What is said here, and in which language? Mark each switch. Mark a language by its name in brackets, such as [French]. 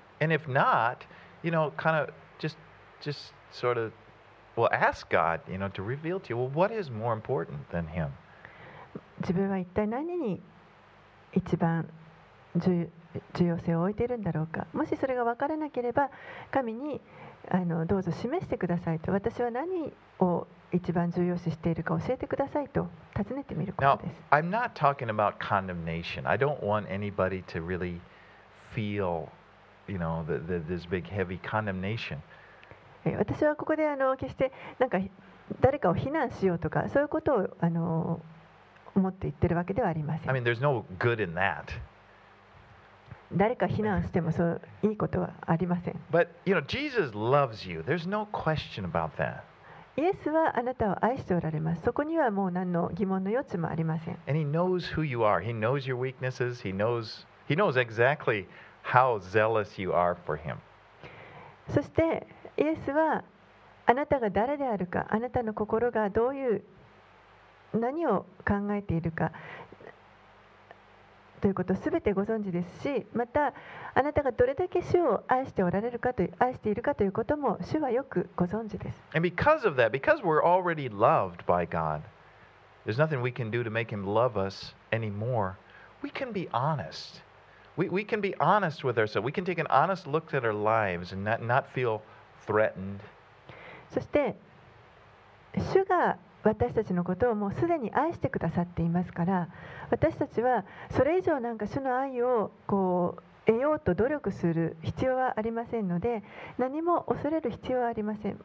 [English] and if not, you know, kind of just sort of, well, ask God, you know, to reveal to you, well, what is more important than him? [Japanese] 自分は一体何に一番重要性を置いているんだろうか、もしそれが分からなければ、神にどうぞ示してくださいと、私は何を一番重要視しているか教えてくださいと尋ねてみることです。 [English] Now, I'm not talking about condemnation. I don't want anybody to really feel, you know, this big heavy condemnation. [Japanese] 私はここで決してなんか誰かを非難しようとかそういうことを思って言ってるわけではありません。 [English] I mean, there's no good in that. [Japanese] 誰か非難してもそういいことはありません。 [English] But, you know, Jesus loves you. There's no question about that. [Japanese] イエスはあなたを愛しておられます。そこにはもう何の疑問の余地もありません。 [English] And he knows who you are. He knows your weaknesses. He knows exactly how zealous you are for him. [Japanese] そしてイエスはあなたが誰であるか、あなたの心がどういう何を考えているかということをすべてご存知ですし、またあなたがどれだけ主を愛しておられるかと愛しているかということも主はよくご存知です。 [English] And because of that, because we're already loved by God, there's nothing we can do to make Him love us anymore. We can be honest. We can be honest with ourselves. We can take an honest look at our lives and not feel threatened. [Japanese] そして主が私たちのことをもうすでに愛してくださっていますから、私たちはそれ以上なんか主の愛をこう得ようと努力する必要はありませんので、何も恐れる必要はありません。